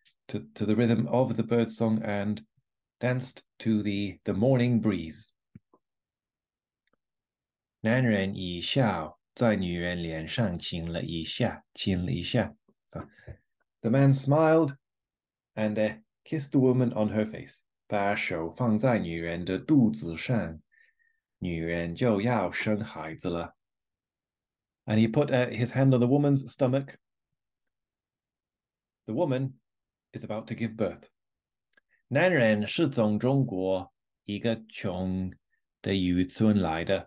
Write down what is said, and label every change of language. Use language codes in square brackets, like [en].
[en] to the rhythm of the bird song and danced to the morning breeze. [zh] 男人一笑在女人脸上亲了一下。 [en] So the man smiled and kissed the woman on her face. [zh] 把手放在女人的肚子上。女人就要生孩子了。And [en] he put his hand on the woman's stomach. The woman is about to give birth. [zh] 男人是从中国一个穷的渔村来的。